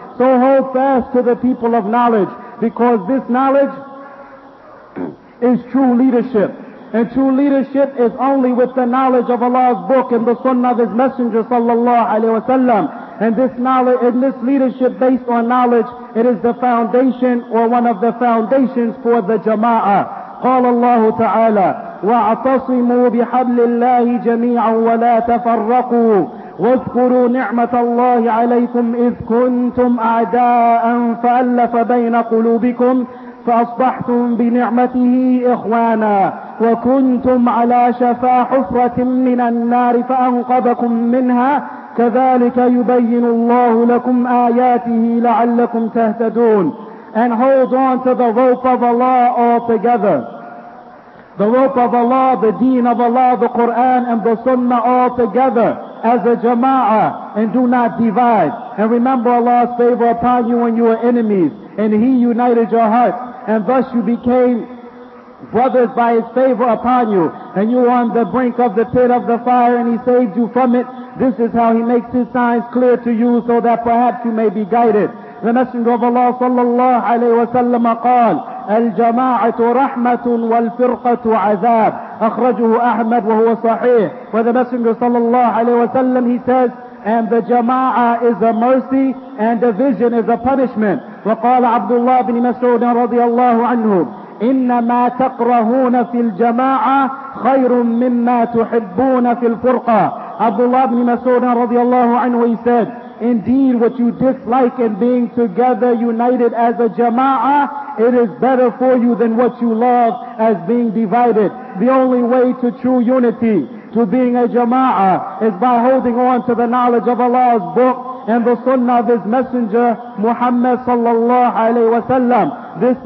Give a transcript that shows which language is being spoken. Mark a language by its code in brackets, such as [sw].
[en] So hold fast to the people of knowledge, because this knowledge is true leadership. And true leadership is only with the knowledge of Allah's book and the sunnah of his messenger sallallahu alaihi wasallam. And this knowledge and this leadership based on knowledge, it is the foundation or one of the foundations for the jama'ah. [ar] قال الله تعالى واعتصموا بحبل الله جميعا ولا تفرقوا واذكروا نعمة الله عليكم إذ كنتم أعداء فألف بين قلوبكم فأصبحتم بنعمته إخوانا وكنتم على شفا حفرة من النار فأنقذكم منها كذلك يبين الله لكم آياته لعلكم تهتدون. [en] And hold on to the rope of Allah altogether. the rope of Allah, the deen of Allah, the Quran and the Sunnah all together as a jama'ah, and do not divide. And remember Allah's favor upon you and your enemies, and He united your heart, and thus you became brothers by His favor upon you, and you were on the brink of the pit of the fire and He saved you from it. This is how He makes His signs clear to you so that perhaps you may be guided. The Messenger of Allah [ar] sallallahu alayhi wa sallam قال الجماعة رحمة والفرقة عذاب أخرجه أحمد وهو صحيح. [en] For the Messenger sallallahu alayhi wa sallam, he says, and the jama'ah is a mercy and division is a punishment. [ar] وقال عبد الله بن مسعود رضي الله عنه إنما تقرهون في الجماعة خير مما تحبون في الفرقة. [en] Abdullah ibn Mas'ud radiallahu anhu, he said, indeed what you dislike in being together united as a jama'ah, it is better for you than what you love as being divided. The only way to true unity, to being a jama'ah, is by holding on to the knowledge of Allah's book and the sunnah of His messenger Muhammad sallallahu alayhi wa sallam.